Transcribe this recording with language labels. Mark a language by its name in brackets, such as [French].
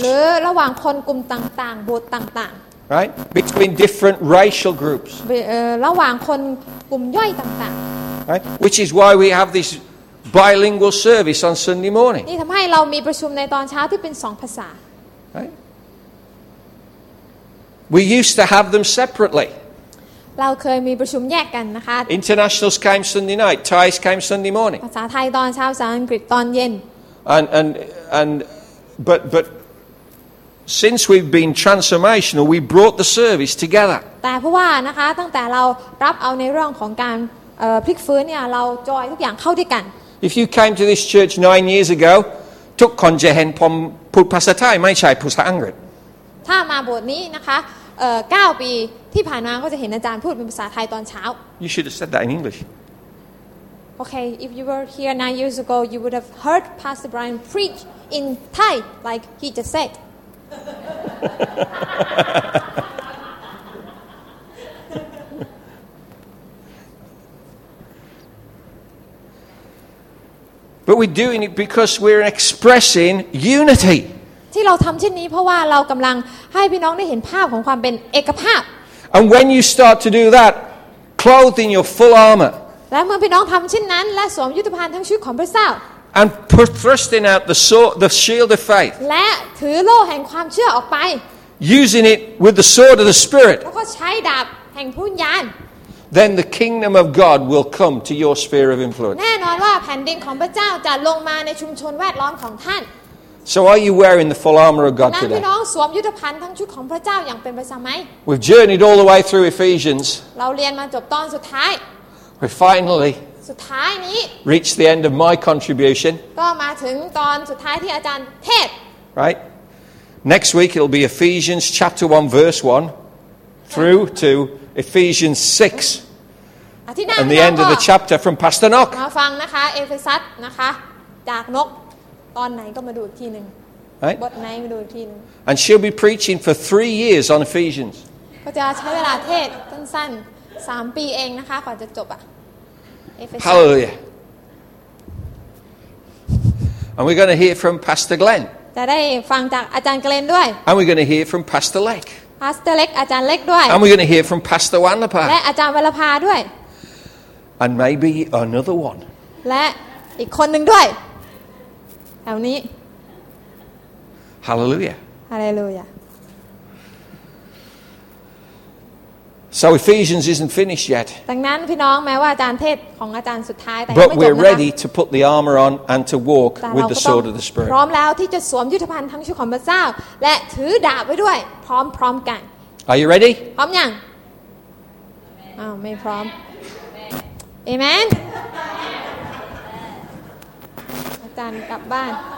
[Thai] หรือระหว่างคนกลุ่มต่างๆโบสถ์ต่างๆ [English] Right between different racial groups. [Thai] ระหว่างคนกลุ่มย่อยต่างๆ [English] Right, which is why we have this bilingual service on Sunday morning. [Thai] นี่ทำให้เรามีประชุมในตอนเช้าที่เป็นสองภาษา [English] Right. We used to have them separately. [Thai] เราเคยมีประชุมแยกกันนะคะ [English] Internationals came Sunday night. Thais came Sunday morning. [Thai] ภาษาไทยตอนเช้าภาษาอังกฤษตอนเย็น [English] And but. Since we've been transformational, we brought the service together. [Thai] แต่เพราะว่านะคะตั้งแต่เรารับเอาในเรื่องของการพลิกฟื้นเนี่ยเราจอยทุกอย่างเข้าด้วยกัน [English] If you came to this church 9 years ago, [Thai] ทุกคนจะเห็นผมพูดภาษาไทยไม่ใช่ภาษาอังกฤษ ถ้ามาโบสถ์นี้นะคะ9ปีที่ผ่านมาก็จะเห็นอาจารย์พูดเป็นภาษาไทยตอนเช้า [English] You should have said that in English. Okay, if you were here 9 years ago, you would have heard Pastor Brian preach in Thai like he just said. But we're doing it because we're expressing unity. [Thai] ที่เราทำเช่นนี้เพราะว่าเรากำลังให้พี่น้องได้เห็นภาพของความเป็นเอกภาพ [English] And when you start to do that, clothed in your full armor. [Thai] และเมื่อพี่น้องทำเช่นนั้นและสวมยุทธภัณฑ์ทั้งชุดของพระเจ้า [English] And thrusting out the shield of faith. [Thai] และถือโล่แห่งความเชื่อออกไป [English] Using it with the sword of the spirit. [Thai] แล้วก็ใช้ดาบแห่งพระวิญญาณ [English] Then the kingdom of God will come to your sphere of influence. [Thai] แน่นอนว่าแผ่นดินของพระเจ้าจะลงมาในชุมชนแวดล้อมของท่าน [English] So are you wearing the full armor of God today? [Thai] พี่น้องสวมยุทธภัณฑ์ทั้งชุดของพระเจ้าอย่างเป็นประจำไหม [English] We've journeyed all the way through Ephesians. [Thai] เราเรียนมาจบตอนสุดท้าย [English] We finally [Thai] สุดท้ายนี้ [English] reached the end of my contribution. [Thai] ก็มาถึงตอนสุดท้ายที่อาจารย์เทศ [English] Right? Next week it'll be Ephesians chapter 1 verse 1 through to Ephesians 6 and the end of the chapter from Pastor Nock. [Thai] มาฟังนะคะเอเฟซัสนะคะจากนกตอนไหนก็มาดูอีกทีนึงบทไหนมาดูอีกทีนึง [English] And she'll be preaching for 3 years on Ephesians. [Thai] ก็จะใช้เวลาเทศสั้นๆ3ปีเองนะคะกว่าจะจบอ่ะ [English] Hallelujah. And we're going to hear from Pastor Glenn. [Thai] จะได้ฟังจากอาจารย์เกลนด้วย [English] And we're going to hear from Pastor Lake. [Thai] Pastor Lek, Ajahn Lek ด้วย [English] And we're going to hear from Pastor Wanlapa. [Thai] และ Ajahn Wanlapa ด้วย [English] And maybe another one. [Thai] และอีกคนหนึ่งด้วยแถวนี้ [English] Hallelujah. Hallelujah. So Ephesians isn't finished yet. [Thai] ดังนั้นพี่น้องแม้ว่าอาจารย์เทศของอาจารย์สุดท้ายแต่ยังไ ม่จบนะ [English] But we're ready to put the armor on and to walk with the sword of the spirit. [Thai] พร้อมแล้วที่จะสวมยุทธภัณฑ์ทั้งชุดของพระเจ้าและถือดาบไว้ด้วยพร้อมๆกัน [English] Are you ready? [Thai] พร้อมยังไม่พร้อม Amen. อาจารย์กลับบ้าน